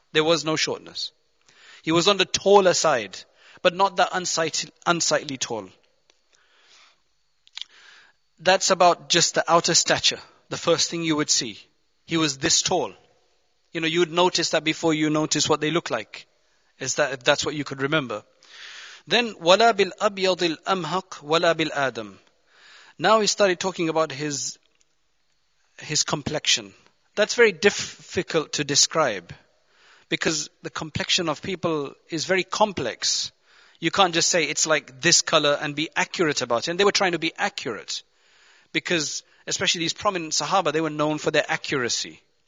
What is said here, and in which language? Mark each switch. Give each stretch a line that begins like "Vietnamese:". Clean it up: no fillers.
English: There was no shortness. He was on the taller side, but not that unsightly tall. That's about just the outer stature, the first thing you would see. He was this tall. You know, you'd notice that before you notice what they look like. Is that, if that's what you could remember.
Arabic: Then, وَلَا بِالْأَبْيَضِ الْأَمْهَقِ وَلَا بِالْآدَمِ.
English: Now he started talking about his complexion. That's very difficult to describe, because the complexion of people is very complex. You can't just say it's like this color and be accurate about it. And they were trying to be accurate, because especially these prominent Sahaba, they were known for their accuracy.